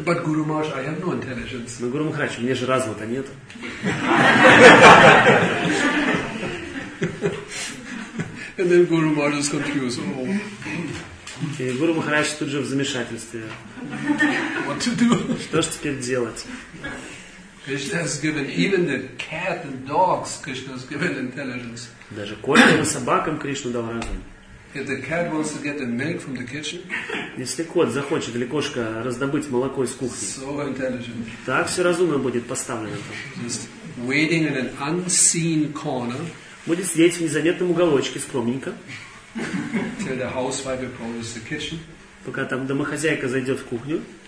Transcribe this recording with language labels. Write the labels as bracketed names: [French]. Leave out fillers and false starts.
[English] But Guru Maharaj, I have no intelligence. [Russian] Но Гуру Махарадж, у меня же разума-то нет. [English] And then Guru Maharaj is confused. [Russian] И Гуру Махарадж тут же в замешательстве. [English] What to do? [Russian] Что ж теперь делать? [English] Krishna has given even the cat and dogs. Krishna has given intelligence. [Russian] Даже кошкам и собакам Кришна дал разум. [English] If the cat wants to get the milk from the kitchen, [Russian] если кот захочет или кошка раздобыть молоко из кухни, [English] so intelligent. [Russian] Так все разумно будет поставлено. Там. [English] Just waiting in an unseen corner, [Russian] будет сидеть в незаметном уголочке скромненько, [English] till the housewife approaches the kitchen, [Russian] пока там домохозяйка зайдет в кухню,